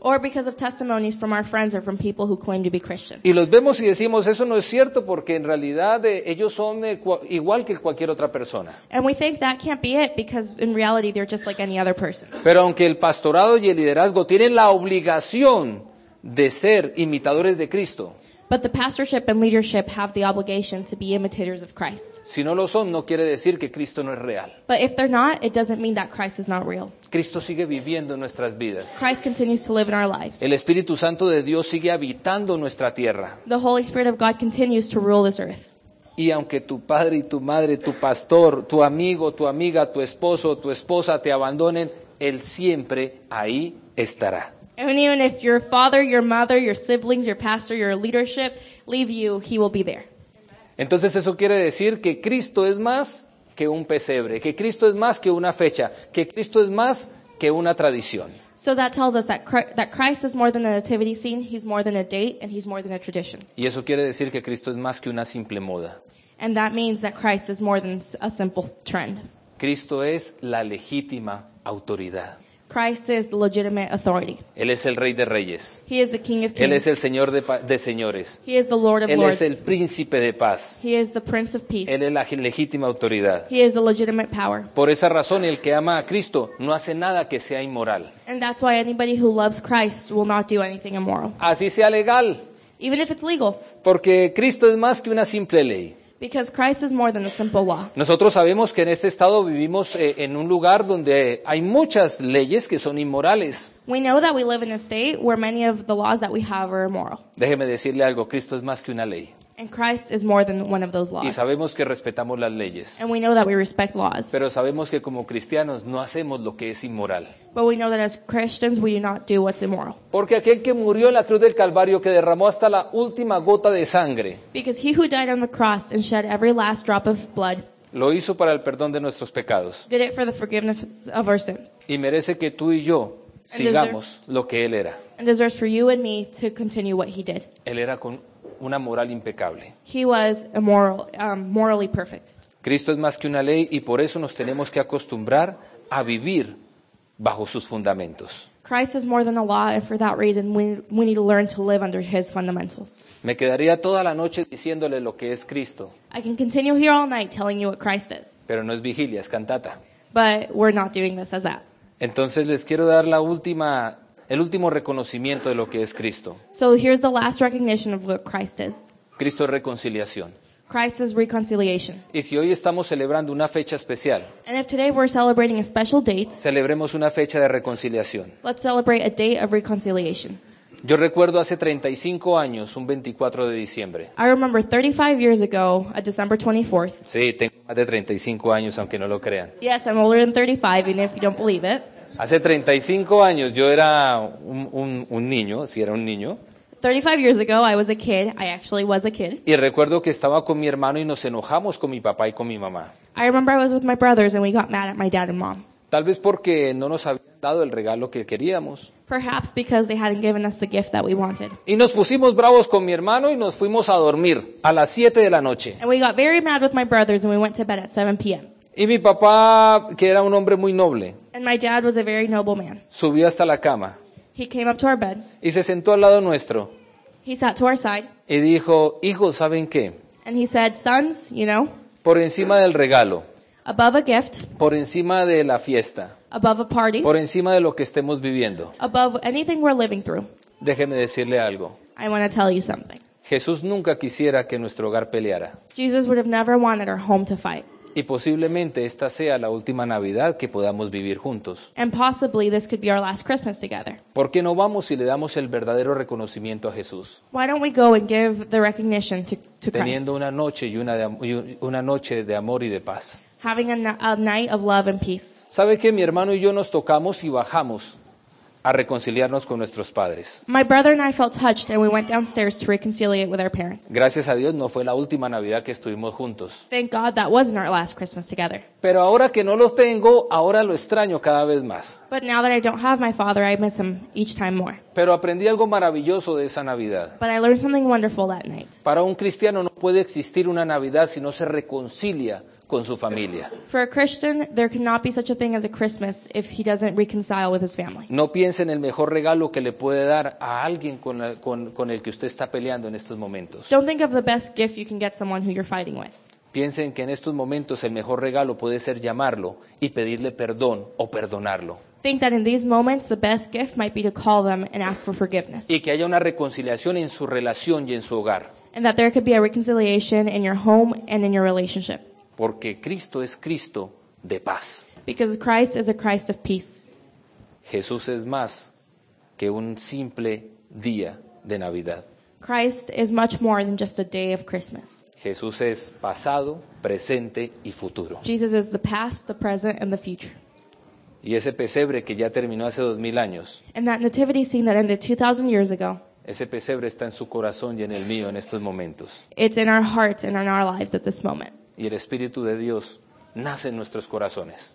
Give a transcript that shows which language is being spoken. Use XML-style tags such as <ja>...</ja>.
<en>Or because of testimonies from our friends or from people who claim to be Christian.</en> <es>Y los vemos y decimos, eso no es cierto porque en realidad ellos son igual que cualquier otra persona.</es> <en>And we think that can't be it because in reality they're just like any other person.</en> <es>Pero aunque el pastorado y el liderazgo tienen la obligación de ser imitadores de Cristo.</es> <en>But the pastorship and leadership have the obligation to be imitators of Christ.</en> <es>Si no lo son, no quiere decir que Cristo no es real.</es> <en>But if they're not, it doesn't mean that Christ is not real.</en> <es>Cristo sigue viviendo en nuestras vidas.</es> <en>Christ continues to live in our lives.</en> <es>El Espíritu Santo de Dios sigue habitando nuestra tierra.</es> <en>The Holy Spirit of God continues to rule this earth.</en> <es>Y aunque tu padre y tu madre, tu pastor, tu amigo, tu amiga, tu esposo, tu esposa te abandonen, él siempre ahí estará.</es> <en>And even if your father, your mother, your siblings, your pastor, your leadership leave you, he will be there.</en> <es>Entonces eso quiere decir que Cristo es más que un pesebre, que Cristo es más que una fecha, que Cristo es más que una tradición.</es> <en>So that tells us that Christ is more than a nativity scene, he's more than a date, and he's more than a tradition.</en> <es>Y eso quiere decir que Cristo es más que una simple moda.</es> <en>And that means that Christ is more than a simple trend.</en> <es>Cristo es la legítima autoridad.</es> <en>Christ is the legitimate authority.</en> <es>Él es el Rey de Reyes.</es> <en>He is the King of Kings.</en> <es>Él es el Señor de Señores.</es> <en>He is the Lord of</en> <es>Él</es> <en>Lords.</en> <es>Él es el Príncipe de Paz.</es> <en>He is the Prince of Peace.</en> <es>Él es la legítima autoridad.</es> <en>He is the legitimate power.</en> <es>Por esa razón, el que ama a Cristo no hace nada que sea inmoral.</es> <en>And that's why anybody who loves Christ will not do anything immoral.</en> <es>Así sea legal.</es> <en>Even if it's legal.</en> <es>Porque Cristo es más que una simple ley.</es> <en>Because Christ is more than a simple law.</en> <es>Nosotros sabemos que en este estado vivimos en un lugar donde hay muchas leyes que son inmorales.</es> <en>We know that we live in a state where many of the laws that we have are immoral.</en> <es>Déjeme decirle algo, Cristo es más que una ley.</es> <en>And Christ is more than one of those laws.</en> <es>Y sabemos que respetamos las leyes.</es> <en>And we know that we respect laws.</en> <es>Pero sabemos que como cristianos no hacemos lo que es inmoral.</es> <en>But we know that as Christians we do not do what's immoral.</en> <es>Porque aquel que murió en la cruz del Calvario, que derramó hasta la última gota de sangre.</es> <en>Because he who died on the cross and shed every last drop of blood.</en> <es>Lo hizo para el perdón de nuestros pecados.</es> <en>Did it for the forgiveness of our sins.</en> <es>Y merece que tú y yo sigamos lo que él era.</es> <en>And deserves for you and me to continue what he did.</en> <es>Él era con una moral impecable.</es> <en>He was immoral, morally perfect.</en> <es>Cristo es más que una ley y por eso nos tenemos que acostumbrar a vivir bajo sus fundamentos.</es> <en>Christ is more than a law, and for that reason we need to learn to live under his fundamentals.</en> <es>Me quedaría toda la noche diciéndole lo que es Cristo.</es> <en>I can continue here all night telling you what Christ is.</en> <es>Pero no es vigilia, es cantata.</es> <en>But we're not doing this as that.</en> <es>Entonces les quiero dar la última, el último reconocimiento de lo que es Cristo.</es> <en>So here's the last recognition of what Christ is.</en> <es>Cristo es reconciliación.</es> <en>Christ is reconciliation.</en> <es>Y si hoy estamos celebrando una fecha especial.</es> <en>And if today we're celebrating a special date.</en> <es>Celebremos una fecha de reconciliación.</es> <en>Let's celebrate a date of reconciliation.</en> <es>Yo recuerdo hace 35 años, un 24 de diciembre.</es> <en>I remember 35 years ago, a December 24th.</en> <es>Sí, tengo más de 35 años, aunque no lo crean.</es> <en>Yes, I'm older than 35, even if you don't believe it.</en> <es>Hace 35 años yo era un niño, si era un niño.</es> <en>35 years ago I was a kid, I actually was a kid.</en> <es>Y recuerdo que estaba con mi hermano y nos enojamos con mi papá y con mi mamá.</es> <en>I remember I was with my brothers and we got mad at my dad and mom.</en> <es>Tal vez porque no nos habían dado el regalo que queríamos.</es> <en>Perhaps because they hadn't given us the gift that we wanted.</en> <es>Y nos pusimos bravos con mi hermano y nos fuimos a dormir a las 7 de la noche.</es> <en>And we got very mad with my brothers and we went to bed at 7 p.m.</en> <es>Y mi papá, que era un hombre muy noble,</es> <en>and my dad was a very noble man,</en> <es>subió hasta la cama.</es> <en>He came up to our bed.</en> <es>Y se sentó al lado nuestro.</es> <en>He sat to our side.</en> <es>Y dijo, hijos, ¿saben qué?</es> <en>And he said, sons, you know,</en> <es>por encima del regalo,</es> <en>above a gift,</en> <es>por encima de la fiesta,</es> <en>above a party,</en> <es>por encima de lo que estemos viviendo,</es> <en>above anything we're living through,</en> <es>déjeme decirle algo.</es> <en>I want to tell you something.</en> <es>Jesús nunca quisiera que nuestro hogar peleara.</es> <en>Jesus would have never wanted our home to fight.</en> <es>Y posiblemente esta sea la última Navidad que podamos vivir juntos.</es> <en>And possibly this could be our last Christmas together.</en> <es>¿Por qué no vamos y le damos el verdadero reconocimiento a Jesús?</es> <en>Why don't we go and give the recognition to Christ?</en> <es>Teniendo una noche y una noche de amor y de paz.</es> <en>Having a night of love and peace.</en> <es>¿Sabe que mi hermano y yo nos tocamos y bajamos a reconciliarnos con nuestros padres?</es> <en>My brother and I felt touched and we went downstairs to reconcile with our parents.</en> <es>Gracias a Dios no fue la última Navidad que estuvimos juntos.</es> <en>Thank God that wasn't our last Christmas together.</en> <es>Pero ahora que no lo tengo, ahora lo extraño cada vez más.</es> <en>But now that I don't have my father, I miss him each time more.</en> <es>Pero aprendí algo maravilloso de esa Navidad.</es> <en>But I learned something wonderful that night.</en> <es>Para un cristiano no puede existir una Navidad si no se reconcilia con su familia.</es> <en>For a Christian, there cannot be such a thing as a Christmas if he doesn't reconcile with his family.</en> <es>No piense en el mejor regalo que le puede dar a alguien con el que usted está peleando en estos momentos.</es> <en>Don't think of the best gift you can get someone who you're fighting with.</en> <es>Piense en que en estos momentos el mejor regalo puede ser llamarlo y pedirle perdón o perdonarlo.</es> <en>Think that in these moments the best gift might be to call them and ask for forgiveness.</en> <es>Y que haya una reconciliación en su relación y en su hogar.</es> <en>And that there could be a reconciliation in your home and in your relationship.</en> <es>Porque Cristo es Cristo de paz.</es> <en>Because Christ is a Christ of peace.</en> <es>Jesús es más que un simple día de Navidad.</es> <en>Christ is much more than just a day of Christmas.</en> <es>Jesús es pasado, presente y futuro.</es> <en>Jesus is the past, the present, and the future.</en> <es>Y ese pesebre que ya terminó hace 2,000 años.</es> <en>And that nativity scene that ended 2,000 years ago.</en> <es>Ese pesebre está en su corazón y en el mío en estos momentos.</es> <en>It's in our hearts and in our lives at this moment.</en> <es>Y el Espíritu de Dios nace en nuestros corazones.</es>